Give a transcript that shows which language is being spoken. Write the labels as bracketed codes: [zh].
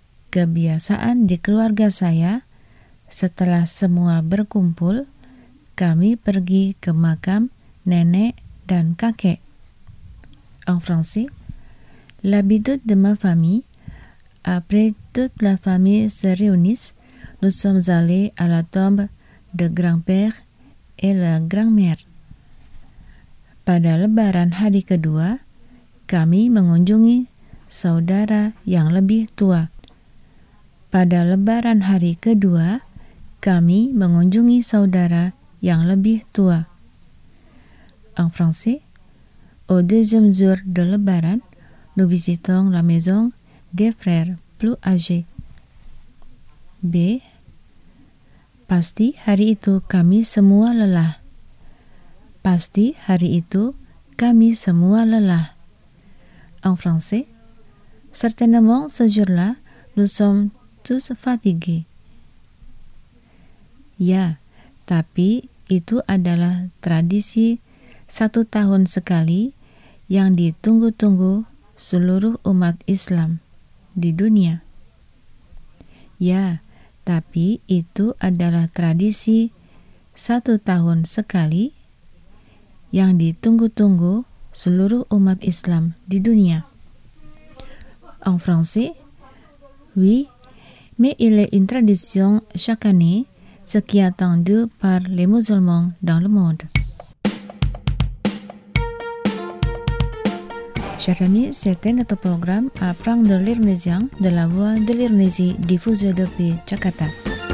[id] Kebiasaan di keluarga saya, setelah semua berkumpul, kami pergi ke makam nenek dan kakek. [fr] En français, l'habitude de ma famille, après toute la famille se réunit, nous sommes allés à la tombe de grand-père et la grand-mère. [id] Pada lebaran hari kedua, kami mengunjungi saudara yang lebih tua. Pada lebaran hari kedua, kami mengunjungi saudara yang lebih tua. [fr] En français, au deuxième jour de lebaran, nous visitons la maison des frères plus âgés. B. [id] Pasti hari itu kami semua lelah. Pasti hari itu kami semua lelah. [fr] En français, certainement ce jour-là, nous sommes tous fatigués. [id] Ya, tapi itu adalah tradisi satu tahun sekali yang ditunggu-tunggu seluruh umat Islam di dunia. Ya, tapi itu adalah tradisi satu tahun sekali yang ditunggu-tunggu seluruh umat Islam di dunia. [fr] En français, oui, mais il est une tradition chaque année, ce qui est attendu par les musulmans dans le monde. Chers amis, c'était notre programme Apprendre l'Indonésien de la voix de l'Indonésie diffusé depuis Jakarta.